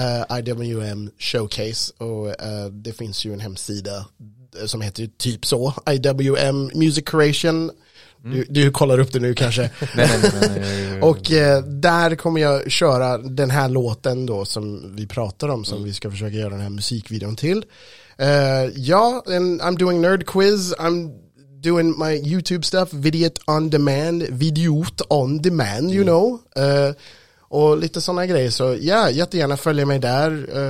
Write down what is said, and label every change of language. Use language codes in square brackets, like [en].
[sv] IWM Showcase. Och det finns ju en hemsida som heter typ så, IWM Music Creation. Du kollar upp det nu kanske. Nej. Och där kommer jag köra den här låten då som vi pratar om, som vi ska försöka göra den här musikvideon till. Ja, [en] and I'm doing nerd quiz. I'm doing my YouTube stuff, Videot on demand, you know. [sv] Och lite sådana grejer. Så ja, jättegärna följa mig där.